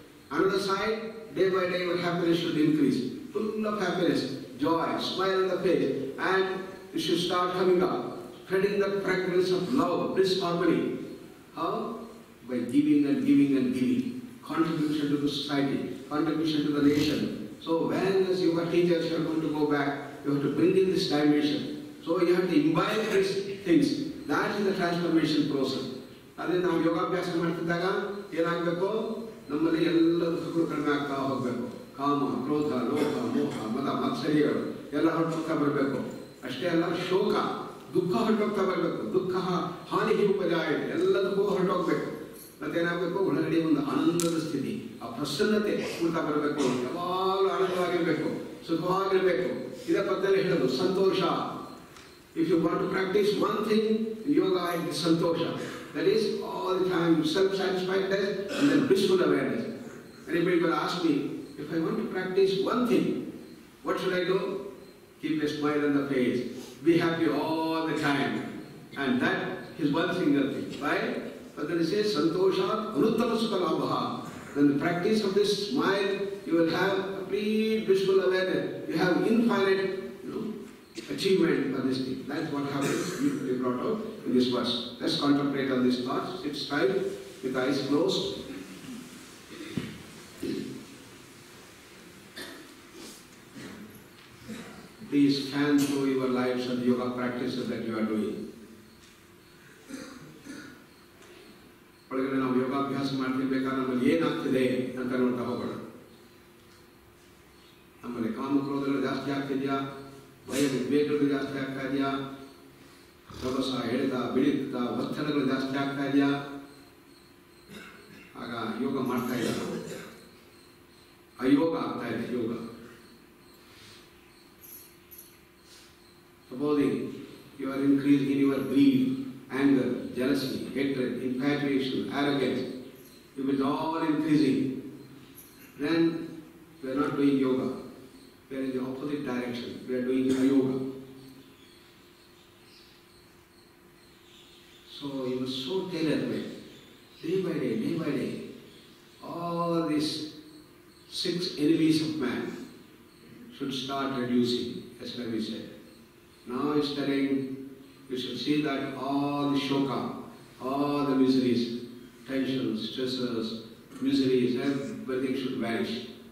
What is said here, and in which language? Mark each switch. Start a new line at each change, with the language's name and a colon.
English: Another side, day by day your happiness should increase. Full of happiness, joy, smile on the face, and you should start coming up, spreading the fragrance of love, bliss, harmony. How? By giving and giving and giving. Contribution to the society, contribution to the nation. So when as your teachers are going to go back, you have to bring in this dimension. So you have to imbibe these things. That is the transformation process.
Kannada: ಅದೇ ನಾವು ಯೋಗಾಭ್ಯಾಸ ಮಾಡ್ತಿದ್ದಾಗ ಏನಾಗಬೇಕು, ನಮ್ಮಲ್ಲಿ ಎಲ್ಲ ದುಃಖಗಳು ಕಡಿಮೆ ಆಗ್ತಾ ಹೋಗ್ಬೇಕು. ಕಾಮ, ಕ್ರೋಧ, ಲೋಭ, ಮೋಹ, ಮದ, ಮಾತ್ಸರ್ಯಗಳು ಎಲ್ಲ ಹೊರಟೋಗ್ತಾ ಬರಬೇಕು. ಅಷ್ಟೇ ಅಲ್ಲ, ಶೋಕ, ದುಃಖ ಹೊರಟೋಗ್ತಾ ಬರಬೇಕು. ದುಃಖ ಹಾನಿ ಉಪಜಾಯ ಎಲ್ಲದಕ್ಕೂ ಹೊರಟೋಗ್ಬೇಕು. ಮತ್ತೇನಾಗಬೇಕು, ಒಳಗಡೆ ಒಂದು ಆನಂದದ ಸ್ಥಿತಿ, ಆ ಪ್ರಸನ್ನತೆ ಕೂಡ್ತಾ ಬರಬೇಕು. ಯಾವಾಗಲೂ ಆನಂದವಾಗಿರಬೇಕು, ಸುಖವಾಗಿರಬೇಕು. ಇದೇ ಪದ್ದಲ್ಲಿ ಹೇಳೋದು ಸಂತೋಷ.
English: If you want to practise one thing yoga, it is santosha. That is all the time self-satisfiedness and then blissful awareness. Anybody will ask me, if I want to practice one thing, what should I do? Keep a smile on the face. Be happy all the time. And that is one single thing. Right? But then he says,
Sanskrit: santosha anuttara sukha labha.
English: Then the practice of this smile, you will have complete blissful awareness. You have infinite, you know, achievement for this thing. That's what happens. You will be brought out. In this verse, let's contemplate on this verse. Sit still with eyes closed. Please scan through your lives and yoga practices that you are doing.
Kannada: ಒಳಗಡೆ ನಾವು ಯೋಗಾಭ್ಯಾಸ ಮಾಡ್ತಿರ್ಬೇಕಾದ್ರೆ ನಮ್ಮಲ್ಲಿ ಏನಾಗ್ತಿದೆ ಅಂತ ನೋಡ್ತಾ ಹೋಗೋಣ. ನಮ್ಮಲ್ಲಿ ಕಾಮಕ್ರೋಧಗಳು ಜಾಸ್ತಿ ಆಗ್ತಿದೆಯಾ? ಭಯ ಉದ್ವೇಗಗಳು ಜಾಸ್ತಿ ಆಗ್ತಾ ಇದೆಯಾ? ಸೊಸ ಎಳೆದ ಬಿಳಿತ ಒತ್ತಡಗಳು ಜಾಸ್ತಿ ಆಗ್ತಾ ಇದೆಯಾ? ಆಗ ಯೋಗ ಮಾಡ್ತಾ ಇಲ್ಲ, ಅಯೋಗ ಆಗ್ತಾ ಇದೆ.
English: Yoga supposing you are increasing in your grief, anger, jealousy, hatred, infatuation, arrogance, you will all increasing. Then we are not doing yoga, we are in the opposite direction, we are doing ayoga. So he was so tailored by day by day, day by day, all these six enemies of man should start reducing, as we said. Now he's telling, you should see that all the shoka, all the miseries, tensions, stresses, miseries, everything should vanish.